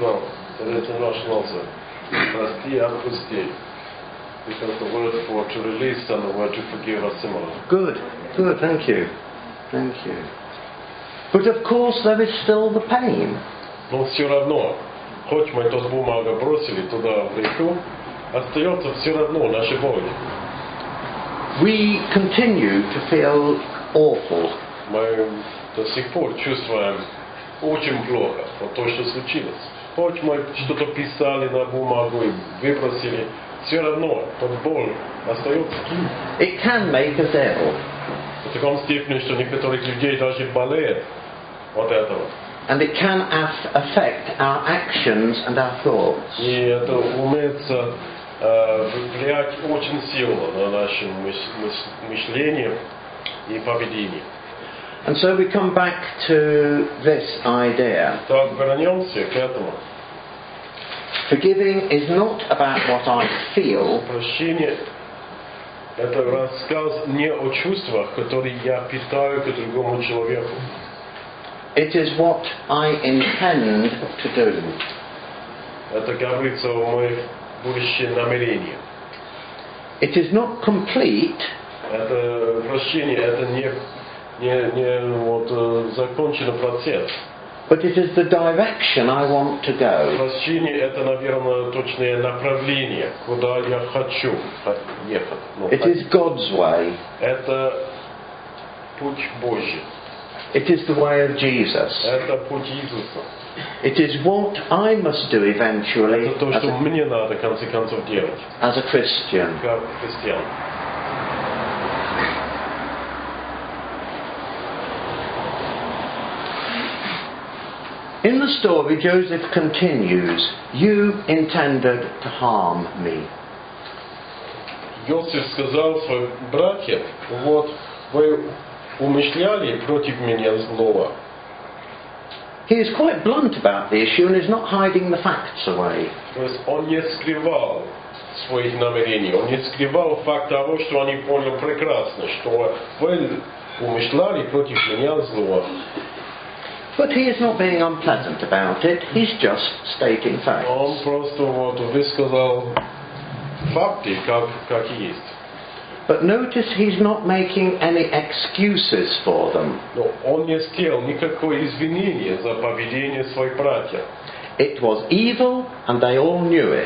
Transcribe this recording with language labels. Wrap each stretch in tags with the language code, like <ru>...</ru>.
<en>Well, it's a Russian answer.</en> <ru>Прости, отпусти.</ru> <en>Because the word for to release and the word to forgive are similar. Good. Thank you. But of course there is still the pain.</en> <ru>Но все равно, хоть мы тот бумагу бросили туда в реку, остается все равно наша боль.</ru> <en>We continue to feel awful.</en> <ru>Мы до сих пор чувствуем очень плохо от того, что случилось. хоть что-то писали на бумагу и выбросили, все равно тот боль остается.</ru> <en>It can make us ill.</en> <ru>В таком степени, что некоторых людей даже болеет от этого.</ru> <en>And it can affect our actions and our thoughts.</en> <ru>И это умеется влиять очень сильно на наше мышление и поведение.</ru> <en>And so we come back to this idea.</en> <ru>Так вернемся к этому.</ru> <en>Forgiving is not about what I feel.</en> <ru>Прощение — это рассказ не о чувствах, которые я питаю к другому человеку.</ru> <en>It is what I intend to do.</en> <ru>Это говорится о моих будущих намерениях.</ru> <en>It is not complete.</en> <ru>Это прощение, это закончено процесс.</ru> <en>But it is the direction I want to go.</en> <ru>Прощение это, наверное, точное направление, куда я хочу ехать.</ru> <en>It is God's way.</en> <ru>Это путь Божий.</ru> <en>It is the way of Jesus.</en> <ru>Это путь Иисуса.</ru> <en>It is what I must do eventually.</en> <ru>Это то, что мне надо в конце концов делать.</ru> <en>As a Christian.</en> <ru>Как христиан.</ru> <en>In the story, Joseph continues, "You intended to harm me."</en> <ru>Иосиф сказал своим братьям, вот вы умышляли против меня злого.</ru> <en>He is quite blunt about the issue and is not hiding the facts away.</en> <ru>То есть он не скрывал своих намерений, он не скрывал факт того, что они поняли прекрасно, что вы умышляли против меня злого.</ru> <en>But he is not being unpleasant about it. He's just stating facts.</en> <ru>Он просто вот высказал факты, как есть.</ru> <en>But notice he's not making any excuses for them.</en> <ru>Но он не сделал никакого извинения за поведение своих братьев.</ru> <en>It was evil, and they all knew it.</en>